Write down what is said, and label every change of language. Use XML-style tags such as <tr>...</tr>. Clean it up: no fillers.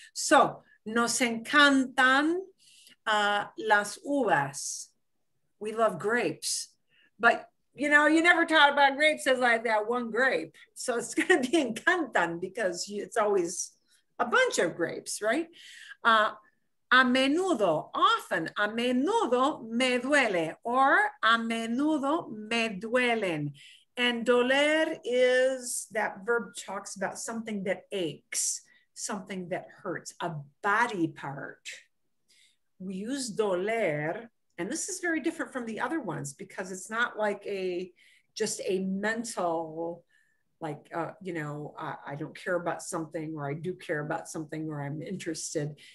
<en>So</en> <es>nos encantan las uvas.</es> <en>We love grapes. But you know, you never talk about grapes as like that one grape. So it's going to be encantan because it's always a bunch of grapes, right?</en> <es>a menudo,</es> <en>often,</en> <es>a menudo me duele, or a menudo me duelen.</es> <en>And doler is that verb talks about something that aches, something that hurts, a body part. We use doler, and this is very different from the other ones because it's not like a just a mental, like, you know, I don't care about something, or I do care about something, or I'm interested.</en>